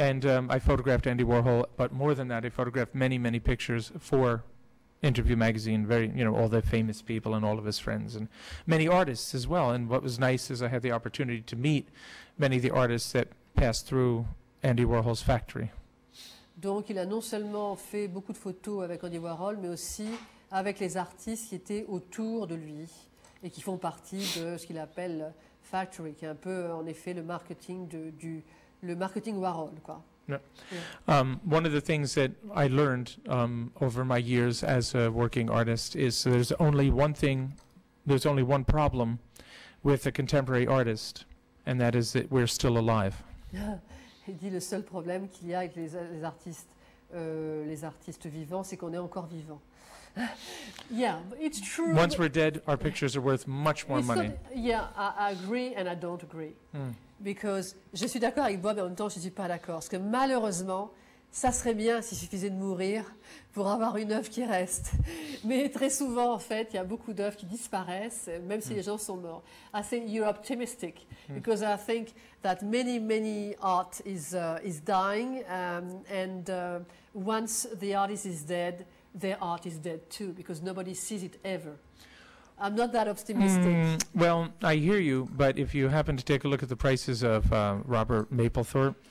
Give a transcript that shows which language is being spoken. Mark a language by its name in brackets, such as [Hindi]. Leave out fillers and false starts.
[English] And I photographed Andy Warhol, but more than that, I photographed many, many pictures for Interview Magazine, very, you know, all the famous people and all of his friends and many artists as well. And what was nice is I had the opportunity to meet many of the artists that passed through Andy Warhol's factory. [French] Donc il a non seulement fait beaucoup de photos avec Andy Warhol, mais aussi avec les artistes qui étaient autour de lui et qui font partie de ce qu'il appelle factory, qui est un peu en effet le marketing le marketing Warhol, quoi. [English] One of the things that I learned over my years as a working artist is there's only one problem with a contemporary artist, and that is that we're still alive. [French] Il dit le seul problème qu'il y a avec les artistes vivants, c'est qu'on est encore vivant. [English] Yeah, it's true. Once we're dead, our pictures are worth much more money. Yeah, I agree and I don't agree. Because [French] je suis d'accord avec Bob, mais en même temps, je ne suis pas d'accord. Parce que malheureusement, ça serait bien s'il suffisait de mourir pour avoir une œuvre qui reste. Mais très souvent, en fait, il y a beaucoup d'œuvres qui disparaissent, même si les gens sont morts. [English] I think you're optimistic, because I think that many, many art is dying, and once the artist is dead, their art is dead too, because nobody sees it ever. I'm not that optimistic. Well, I hear you, but if you happen to take a look at the prices of Robert Mapplethorpe.